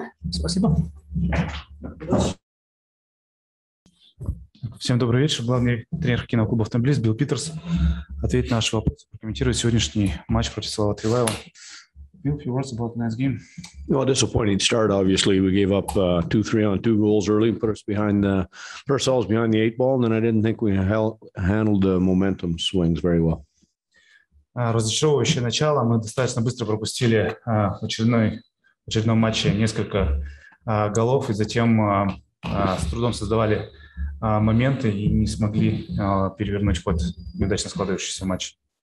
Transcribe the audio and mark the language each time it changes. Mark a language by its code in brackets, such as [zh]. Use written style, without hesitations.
[ru] Спасибо. Всем добрый вечер. Главный тренер хоккейного клуба «Автомобилис» Билл Питерс ответит на наши вопросы, прокомментирует сегодняшний матч против Салават Ревайла. [en] Well, disappointing start, obviously. We gave up 2-3 on two goals early, put ourselves behind the eight ball, and then I didn't think we handled the momentum swings very well. [ru] Разочаровывающее начало. Мы достаточно быстро пропустили в очередном матче несколько голов, и затем с трудом создавали моменты и не смогли перевернуть ход неудачно складывающийся матч.